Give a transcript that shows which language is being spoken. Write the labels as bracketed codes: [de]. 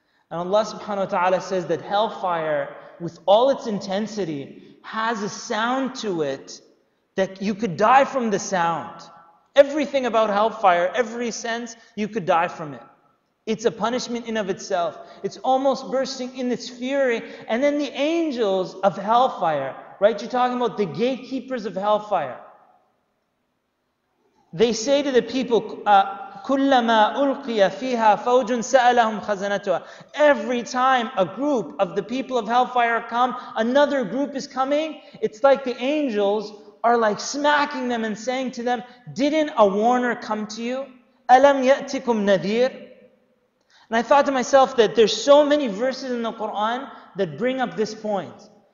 [en] And Allah subhanahu wa ta'ala says that hellfire, with all its intensity, has a sound to it that you could die from the sound. Everything about hellfire, every sense, you could die from it. It's a punishment in of itself. It's almost bursting in its fury. And then the angels of hellfire, right? You're talking about the gatekeepers of hellfire. They say to the people, [ar] كُلَّمَا أُلْقِيَ فِيهَا فَوْجٌ سَأَلَهُمْ خَزَنَتُهَا. [en] Every time a group of the people of hellfire come, another group is coming. It's like the angels are like smacking them and saying to them, didn't a warner come to you? [ar] أَلَمْ يَأْتِكُمْ نَذِيرٌ. [en] And I thought to myself that there's so many verses in the Quran that bring up this point.